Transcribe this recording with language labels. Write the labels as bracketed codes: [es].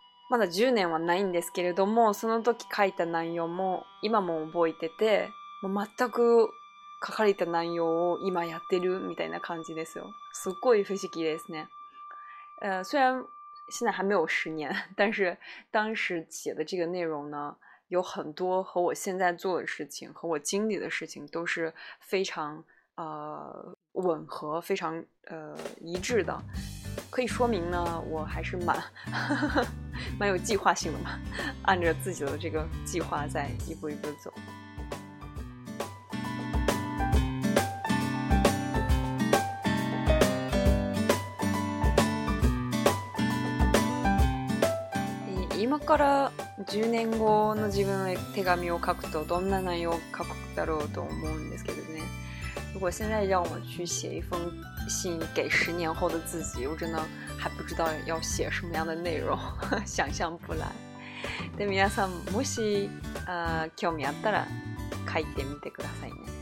[ja] まだ10年はないんですけれども、その時書いた内容も今も覚えてて、もう全く書かれた内容を今やってるみたいな感じですよ。すっごい不思議ですね。 [zh] 虽然现在还没有十年，但是当时写的这个内容呢，有很多和我现在做的事情和我经历的事情都是非常吻合非常一致的，可以说明呢，我还是蛮蛮有计划性的嘛，按着自己的这个计划在一步一步走。 [ja] 今から10年後の自分へ手紙を書くとどんな内容を書くだろうと思うんですけどね。 [zh] 如果现在让我去写一封信给十年后的自己，我真的还不知道要写什么样的内容，想象不来。 [ja] で皆さんもし興味あったら書いてみてくださいね。